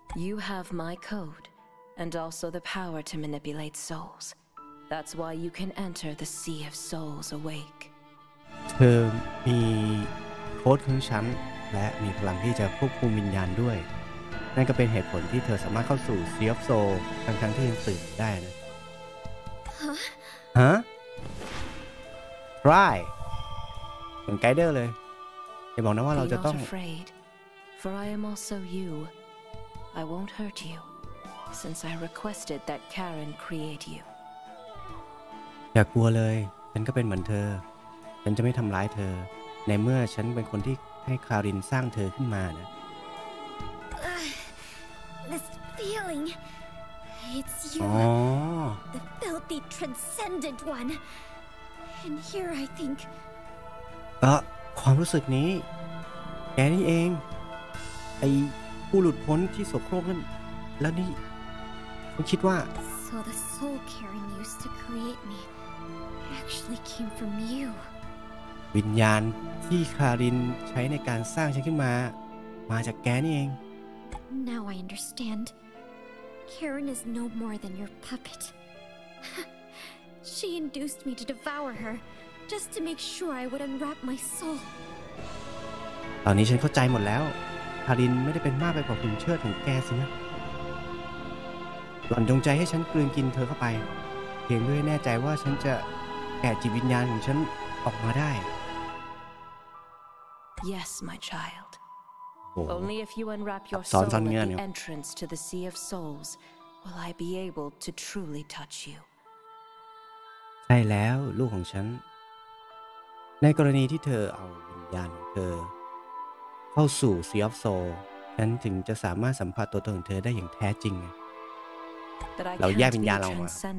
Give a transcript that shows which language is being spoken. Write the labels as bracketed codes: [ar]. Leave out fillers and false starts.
[en] You have my code, and also the power to manipulate souls. That's why you can enter the Sea of Souls awake. [th] เธอมีโค้ดของฉันและมีพลังที่จะควบคุมวิญญาณด้วยนั่นก็เป็นเหตุผลที่เธอสามารถเข้าสู่ Sea of Soul ทั้งที่ยังตื่นได้นะฮะฮะไรเหมือนไกด์เดอร์เลยอย่าบอกนะว่าเราจะต้อง [en] for I am also you. I won't hurt you, since I requested that Karen create you. [th] อย่ากลัวเลยฉันก็เป็นเหมือนเธอฉันจะไม่ทำร้ายเธอในเมื่อฉันเป็นคนที่ให้คารินสร้างเธอขึ้นมานะ [en] This feeling it's you the filthy transcendent one and here I think [th] ความรู้สึกนี้แกนี่เองไอ้ผู้หลุดพ้นที่โสโครกนั่นแล้วนี่ฉันคิดว่า [en] So the soul Karen used to create meActually came from you. [th] วิญญาณที่คารินใช้ในการสร้างฉันขึ้นมามาจากแกนี่เอง [en] Now I understand. Karen is no more than your puppet. She induced me to devour her just to make sure I would unwrap my soul. [th] ตอนนี้ฉันเข้าใจหมดแล้วคารินไม่ได้เป็นมากไปกว่าหุ่นเชิดของแกสินะหล่อนจงใจให้ฉันกลืนกินเธอเข้าไปเพียงเพื่อแน่ใจว่าฉันจะแก่จิตวิญญาณของฉันออกมาได้ [en] Yes my child Only if you unwrap your soul at the entrance to the sea of souls will I be able to truly touch you [th] ใช่แล้วลูกของฉันในกรณีที่เธอเอาวิญญาณของเธอเข้าสู่ Sea of Souls ฉันถึงจะสามารถสัมผัสตัวตนของเธอได้อย่างแท้จริงเราแยกวิญญาณเราออกมา